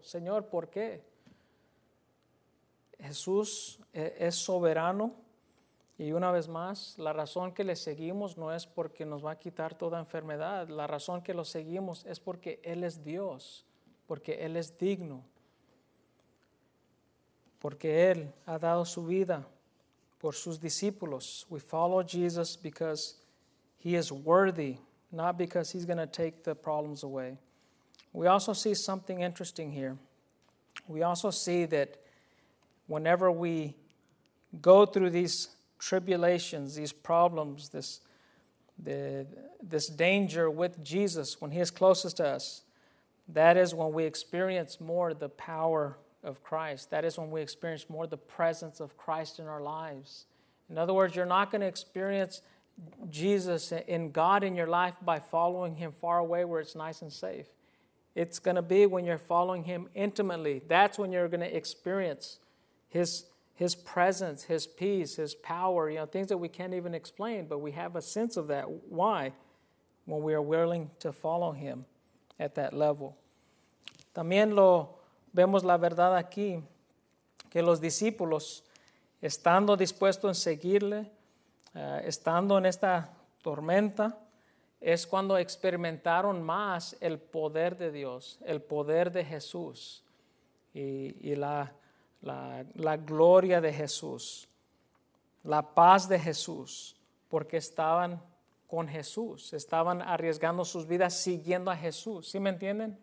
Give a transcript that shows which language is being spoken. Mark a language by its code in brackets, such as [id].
[es] Señor, ¿por qué? Jesús es soberano y una vez más, la razón que le seguimos no es porque nos va a quitar toda enfermedad. La razón que lo seguimos es porque Él es Dios, porque Él es digno, porque Él ha dado su vida por sus discípulos. [en] We follow Jesus because He is worthy, not because He's going to take the problems away. We also see something interesting here. We also see that whenever we go through these tribulations, these problems, this danger with Jesus, when He is closest to us, that is when we experience more the power of Christ. That is when we experience more the presence of Christ in our lives. In other words, you're not going to experience Jesus in God in your life by following Him far away where it's nice and safe. It's going to be when you're following Him intimately. That's when you're going to experience His presence, His peace, His power, you know, things that we can't even explain, but we have a sense of that. Why? When we are willing to follow Him at that level. [es] También lo vemos la verdad aquí, que los discípulos, estando dispuestos en seguirle, estando en esta tormenta, es cuando experimentaron más el poder de Dios, el poder de Jesús, y la gloria de Jesús, la paz de Jesús, porque estaban con Jesús, estaban arriesgando sus vidas siguiendo a Jesús. ¿Sí me entienden?